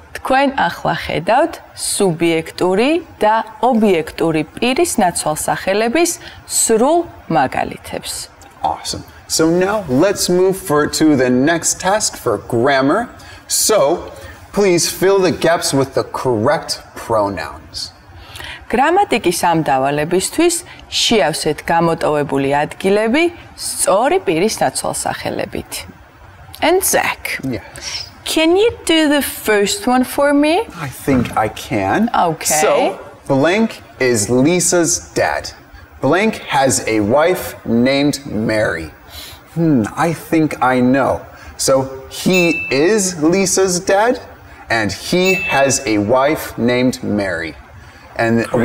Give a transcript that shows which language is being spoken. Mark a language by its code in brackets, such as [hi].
[ka] თქვენ ახლა ხედავთ სუბიექტური და ობიექტური პირის ნაცვალსახელების სრულ მაგალითებს. [en] Awesome. So now let's move to the next task for grammar. So, please fill the gaps with the correct pronouns. [ka] გრამატიკის ამ დავალებისთვის შეავსეთ გამოტოვებული ადგილები სწორი პირის ნაცვალსახელებით. [en] And Zach. Yes. Can you do the first one for me? I think I can. Okay. So, blank is Lisa's dad. Blank has a wife named Mary. I think I know. So, he is Lisa's dad, and he has a wife named Mary. And Great.